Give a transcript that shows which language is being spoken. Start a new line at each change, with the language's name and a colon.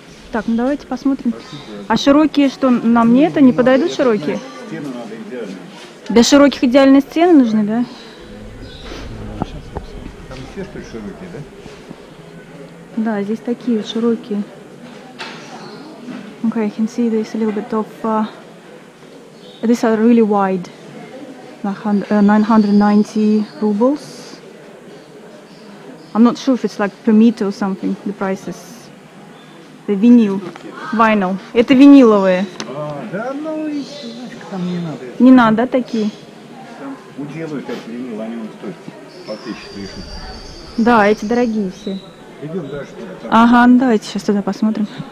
Russian: Так, ну давайте посмотрим. А широкие что, нам не это, не подойдут широкие? Стены надо идеально. Для широких идеальные стены нужны, да? Там все что ли широкие, да? Да, здесь такие широкие.
English: Okay, I can see this a little bit of... these are really wide. 990 rubles. I'm not sure if it's like per meter or something, the prices. The vinyl. Vinyl.
Russian: Это виниловые. Да, ну и значит, там не надо. Не надо, да, такие? Там уделают эти винил, они вон стоят по 1000 лишних. Да, эти дорогие все. Идем дальше туда. Ага, ну давайте сейчас туда посмотрим.